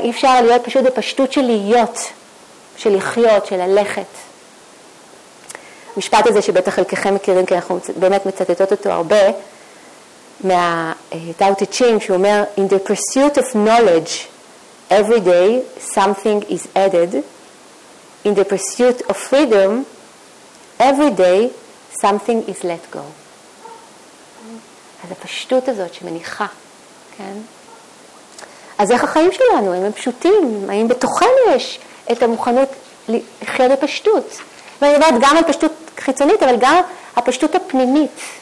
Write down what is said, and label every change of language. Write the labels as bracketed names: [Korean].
[Hebrew] אי אפשר להיות פשוט בפשטות של להיות, של לחיות, של ללכת. המשפט הזה שבטח חלקכם מכירים, כי אנחנו באמת מצטטות אותו הרבה, מהטאו טיצ'ינג, שהוא אומר, [English] In the pursuit of knowledge, every day something is added. In the pursuit of freedom, every day something is let go. [Hebrew] אז הפשטות הזאת שמניחה, כן? אז איך החיים שלנו? הם פשוטים. האם בתוכן יש את המוכנות לחיות הפשטות? ואני יודעת גם על פשטות חיצונית, אבל גם הפשטות הפנימית.